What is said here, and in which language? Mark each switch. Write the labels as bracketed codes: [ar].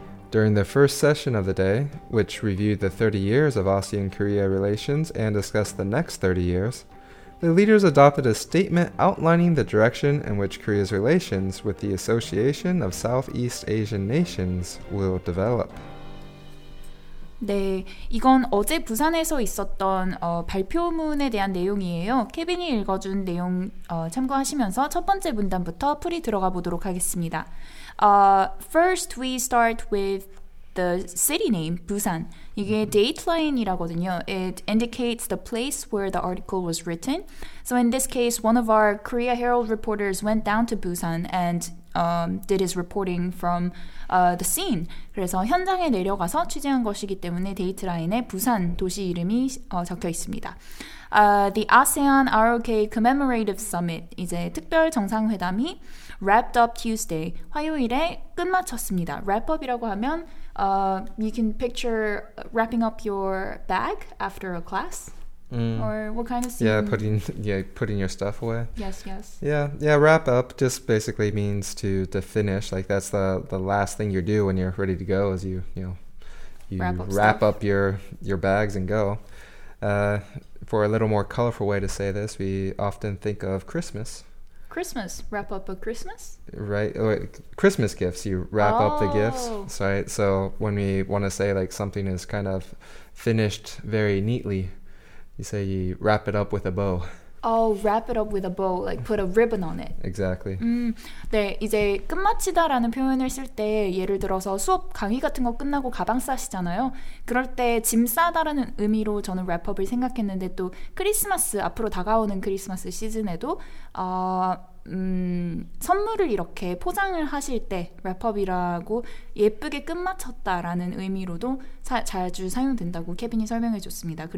[en] During the first session of the day, which reviewed the 30 years of ASEAN-Korea relations and discussed the next 30 years, the leaders adopted a statement outlining the direction in which Korea's relations with the Association of Southeast Asian Nations will develop. [ko] 네, 이건 어제 부산에서 있었던 발표문에 대한 내용이에요. 케빈이 읽어준 내용 참고하시면서 첫 번째 문단부터 풀이 들어가 보도록 하겠습니다. [en] First, we start with the city name, Busan. [ko] 이게 dateline이라거든요. [en] It indicates the place where the article was written. So in this case, one of our Korea Herald reporters went down to Busan and did his reporting from the scene. [ko] 그래서 현장에 내려가서 취재한 것이기 때문에 데이트라인에 부산 도시 이름이 적혀 있습니다. [en] The ASEAN ROK Commemorative Summit, [ko] 이제 특별 정상회담이 [en] wrapped up Tuesday, [ko] 화요일에 끝마쳤습니다. [en] Wrap up [ko] 이라고 하면 [en] you can picture wrapping up your bag after a class. Mm. Or what kind of scene? Putting your stuff away. Yes, yes. Yeah, wrap up just basically means to finish. Like that's the last thing you do when you're ready to go is you wrap up your bags and go. For a little more colorful way to say this, we often think of Christmas. Christmas, wrap up a Christmas? Right, Christmas gifts, you wrap up the gifts, right? So when we want to say like something is kind of finished very neatly, you say you wrap it up with a bow. Oh, wrap it up with a bow, like put a ribbon on it. Exactly. [ko] 네, 이제 끝마치다라는 표현을 쓸 때 예를 들어서 수업 강의 같은 거 끝나고 가방 싸시잖아요. 그럴 때 짐 싸다라는 의미로 저는 wrap-up을 생각했는데 또 크리스마스, 앞으로 다가오는 크리스마스 시즌에도 선물을 이렇게 포장을 하실 때 wrap-up이라고 예쁘게 끝마쳤다라는 의미로도 자주 사용된다고 케빈이 설명해 줬습니다.